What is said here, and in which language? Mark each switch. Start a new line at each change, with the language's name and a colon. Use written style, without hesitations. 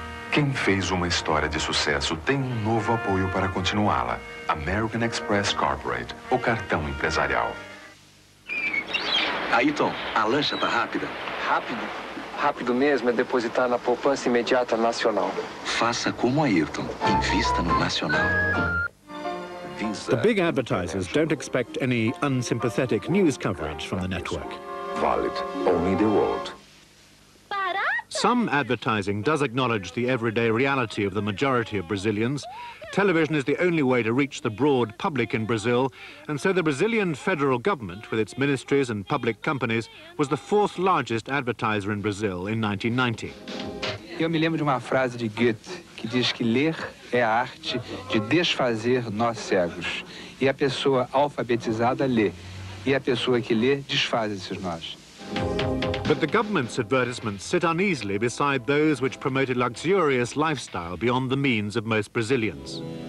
Portuguese: Quem fez uma história de sucesso tem um novo apoio para continuá-la. American Express Corporate, o cartão empresarial. Ayrton, a lancha tá rápida. Rápido? Rápido mesmo é depositar na poupança imediata nacional. Faça como Ayrton. Invista no nacional.
English: The big advertisers don't expect any unsympathetic news coverage from the network. Valid only the world. Some advertising does acknowledge the everyday reality of the majority of Brazilians. Television is the only way to reach the broad public in Brazil, and so the Brazilian federal government, with its ministries and public companies, was the fourth largest advertiser in Brazil in 1990.
Portuguese: Eu me lembro de uma frase de Goethe que diz que ler é a arte de desfazer nós cegos. E a pessoa alfabetizada lê, e a pessoa que lê desfaz esses nós.
English: But the government's advertisements sit uneasily beside those which promote a luxurious lifestyle beyond the means of most Brazilians.